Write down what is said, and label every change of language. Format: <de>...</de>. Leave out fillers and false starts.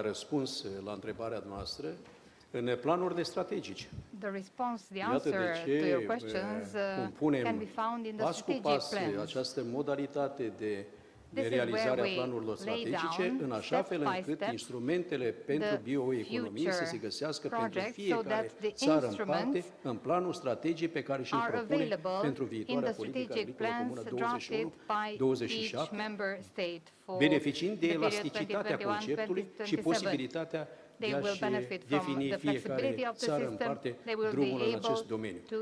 <ro>răspuns la întrebarea noastră în planurile strategice.</ro> <en>The response, the answer to your questions can be found in the strategic plan.</en> <ro>Pas cu pas această modalitate de realizare a planurilor strategice, în așa fel încât instrumentele pentru bioeconomie să se găsească pentru fiecare țară în parte în planul strategic pe care și-l propune pentru viitoarea politică agricolă comună 21-27, beneficiind de elasticitatea conceptului și posibilitatea de a și defini fiecare țară în parte drumul în acest domeniu.</ro>